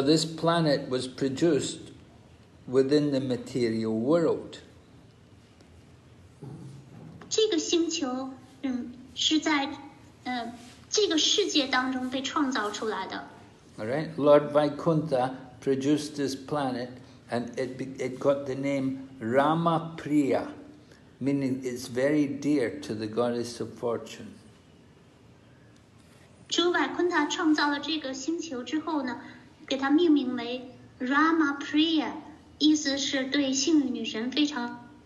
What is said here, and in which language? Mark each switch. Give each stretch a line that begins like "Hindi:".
English: this planet was produced within the material world.
Chinese: 这个星球，是在这个世界当中被创造出来的。
English: All right, Lord Vaikuntha produced this planet, and it got the name Rama Priya, meaning it's very dear to the goddess of fortune.
Chinese: 主Vaikuntha创造了这个星球之后呢，给它命名为 Rama Priya，意思是对幸运女神非常